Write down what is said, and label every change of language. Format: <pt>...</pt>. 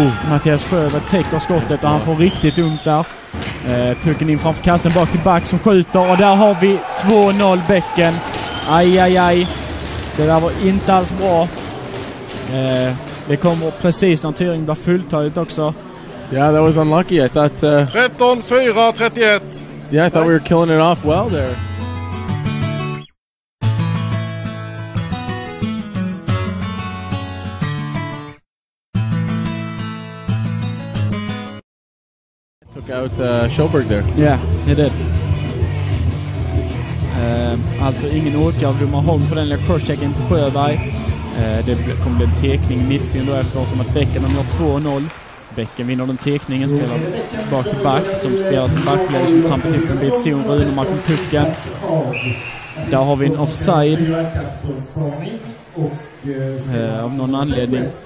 <sv>Mattias Sjöberg täcker skottet och han får riktigt ungt där. Pucken in framför kassen bak till back som skjuter. Och där har vi 2-0 Bäcken. Aj, aj, aj. Det där var inte alls bra. Det kommer precis när tyringen blir fulltaligt också.</sv> <en>Ja, yeah, that was unlucky. I thought 13-4-31. Yeah, I thought we were killing it off well there. Took out Schoberg there. Yeah, he did.</en> <sv>Alltså ingen åtgärd. Du har hållit på den där crosschecken på Sjöberg. Det kom en tekning mitt sen då eftersom att Bäcken har 2-0. Bäcken vinner den tekningen, spelar bak till back som spelar sin backledare som trampar upp en bit zon. Runemark med pucken. Där har vi en offside av någon anledning.</sv>